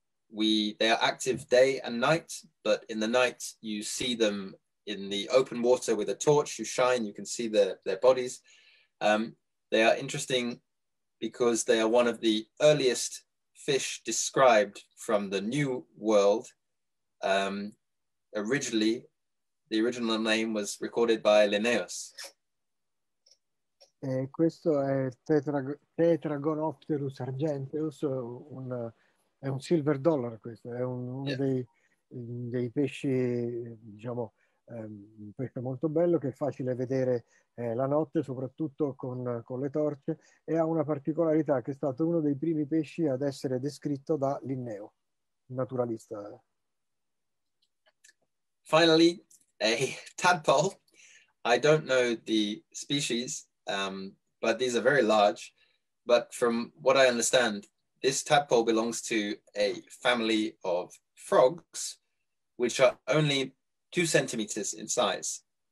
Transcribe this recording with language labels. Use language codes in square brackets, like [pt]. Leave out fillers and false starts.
[en] They are active day and night, but in the night you see them in the open water with a torch, you shine, you can see their bodies. They are interesting because they are one of the earliest fish described from the New World. Originally, the original name was recorded by Linnaeus. [it] Questo è Tetragonopterus argenteus, è un silver dollar questo, è uno dei pesci, diciamo, un pesce molto bello che è facile vedere la notte, soprattutto con le torce, e ha una particolarità che è stato uno dei primi pesci ad essere descritto da Linneo, naturalista. [en] Finally, a tadpole. I don't know the species, but these are very large. But from what I understand, this tadpole belongs to a family of frogs, which are only 2 centimeters in size.